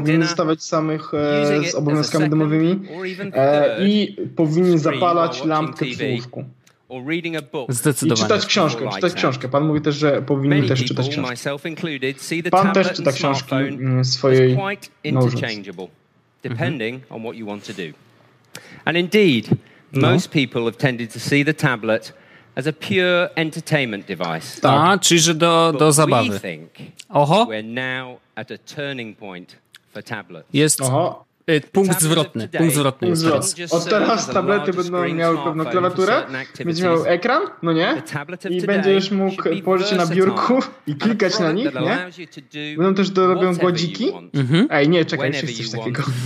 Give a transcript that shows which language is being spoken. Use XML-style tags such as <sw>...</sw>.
<pl>Powinni zostawać samych z obowiązkami domowymi. I powinni zapalać lampkę przy łóżku.</pl> <en>Or reading a book.</en> <pl>Zdecydowanie. I czytać książkę. Pan mówi też, że powinni też czytać książkę. Pan też czyta książki swojej małżonki.</pl> <en>And indeed, most people have tended to see the tablet as a pure entertainment device.</en> <pl>Tak, czyli że do zabawy. Oho.</pl> <en>We're now at a turning point for tablets.</en> <pl>Jest. Oho. Punkt zwrotny. Od teraz tablety będą miały pewną klawiaturę, będzie miał ekran, no nie? I będziesz mógł położyć się na biurku i klikać na nich, nie? Będą też dorobią gładziki. Ej, nie, czekaj, jeszcze jest coś takiego.</pl>